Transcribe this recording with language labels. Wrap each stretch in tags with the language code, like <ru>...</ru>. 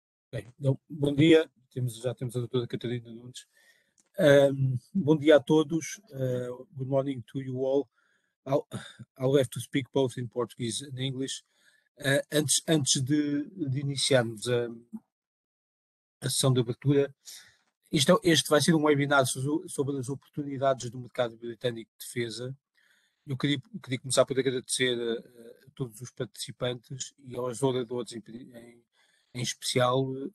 <pt>Bem, então, bom dia, já temos a doutora Catarina Nunes. Bom dia a todos.</pt> <en>Good morning to you all. I'll have to speak both in Portuguese and English.</en> <pt>Antes de iniciarmos a sessão de abertura, este vai ser um webinar sobre as oportunidades do mercado britânico de defesa. Eu queria começar por agradecer a todos os participantes e aos oradores em especial.</pt>